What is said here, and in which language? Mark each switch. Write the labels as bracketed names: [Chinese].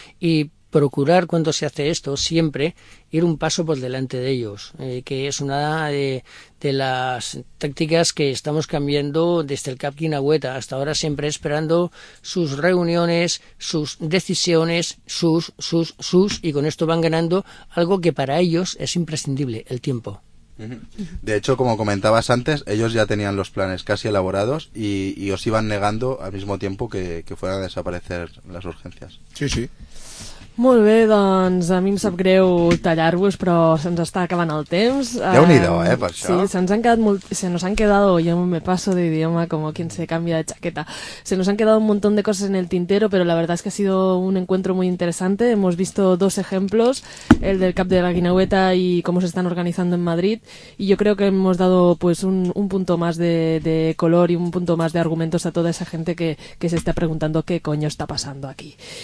[Spanish] Y procurar, cuando se hace esto, siempre ir un paso por delante de ellos, que es una de las tácticas que estamos cambiando desde el Cap Guinehueta hasta ahora, siempre esperando sus reuniones, sus decisiones, sus, y con esto van ganando algo que para ellos es imprescindible, el tiempo. De hecho, como comentabas antes, ellos ya tenían los planes casi elaborados y os iban negando al mismo tiempo que fueran a desaparecer las urgencias. Sí, sí. [Catalan] Molt bé, doncs a mi em sap greu tallar-vos, però se'ns està acabant el temps. Déu-n'hi-do, per això. Sí, se'ns han quedat molt... [Spanish] Se nos han quedado, yo me paso de idioma como quien se cambia de chaqueta. Se nos han quedado un montón de cosas en el tintero, pero la verdad es que ha sido un encuentro muy interesante. Hemos visto dos ejemplos, el del Cap de la Guinahueta y cómo se están organizando en Madrid. Y yo creo que hemos dado pues un punto más de color y un punto más de argumentos a toda esa gente que se está preguntando qué coño está pasando aquí.